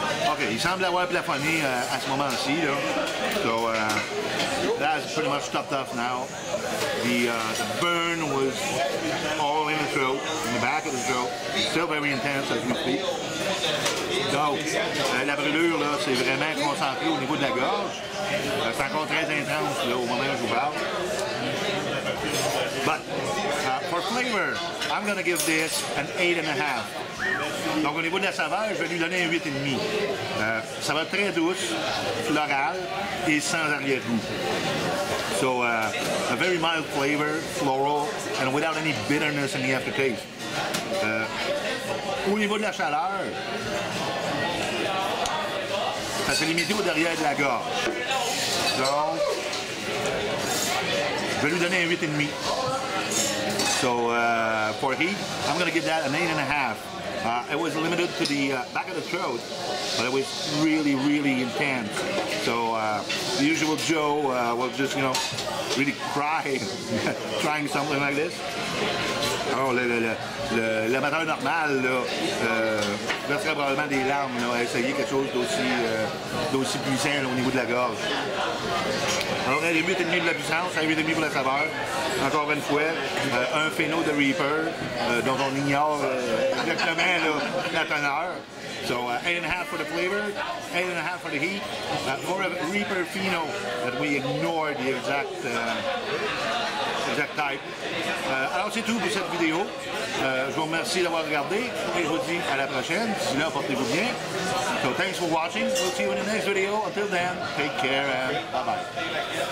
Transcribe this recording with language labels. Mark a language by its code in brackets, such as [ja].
[fr] OK, il semble avoir plafonné à ce moment-ci. Là. [en] So, that's pretty much stopped off now. The burn was all in the throat, in the back of the throat. Still very intense as we speak. [fr] Donc, la brûlure, là, c'est vraiment concentré au niveau de la gorge. C'est encore très intense là, au moment où je vous parle. [en] But for flavor, I'm going to give this an 8.5. [fr] Donc au niveau de la saveur, je vais lui donner un 8.5. Ça va être très douce, floral et sans arrière-goût. [en] So a very mild flavor, floral, and without any bitterness in the aftertaste. [fr] au niveau de la chaleur, ça s'est limité au derrière de la gorge. Donc, je vais lui donner un 8,5. [en] So, for heat, I'm going to give that an 8.5. It was limited to the back of the throat, but it was really, really intense. So, the usual Joe was just, you know, really crying, trying something like this. [fr] Oh, l'amateur normal, là, verserait probablement des larmes, là, à essayer quelque chose d'aussi puissant, là, au niveau de la gorge. Alors, elle est 8,5 pour la puissance, elle est 8,5 pour la saveur. Encore une fois, un phéno de Reaper, dont on ignore exactement, là, la teneur. [en] So, 8.5 for the flavor, 8.5 for the heat, or a Reaper phéno, that we ignore the exact... [fr] alors c'est tout pour cette vidéo. Je vous remercie d'avoir regardé et je vous dis à la prochaine. D'ici là, portez-vous bien. [en] So thanks for watching. We'll see you in the next video. Until then, take care and bye-bye.